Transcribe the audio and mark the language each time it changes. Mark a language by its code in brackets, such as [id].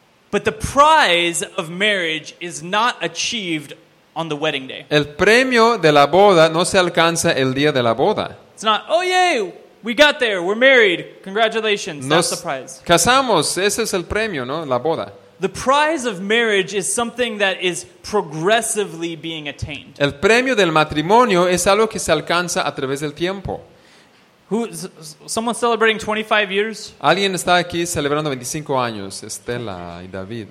[en] But the prize of marriage is not achieved on the wedding day. [es] El premio de la boda no se alcanza el día de la boda. [en] It's not, oh yay, we got there, we're married, congratulations, that's the prize. [es] Casamos, ese es el premio, ¿no? La boda. [en] The prize of marriage is something that is progressively being attained. [es] El premio del matrimonio es algo que se alcanza a través del tiempo. [en] Someone celebrating 25 years? [es] Alguien está aquí celebrando 25 años, Estela y David.